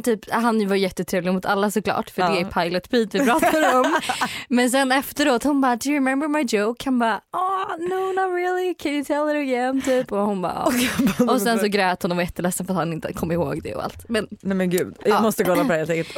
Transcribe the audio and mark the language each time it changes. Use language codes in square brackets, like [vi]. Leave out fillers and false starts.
[sv] Han var jättetrevlig mot alla såklart, för det är Pilot Pete vi pratar om. Men sen efteråt, hon bara, [en] do you remember my joke? [sv] Han bara, [en] oh, no, not really, can you tell it again? [sv] Typ. Och hon bara, och sen så grät hon och var jätteledsen för att han inte kom ihåg det och allt. Men, nej men gud, jag måste gå på det helt enkelt.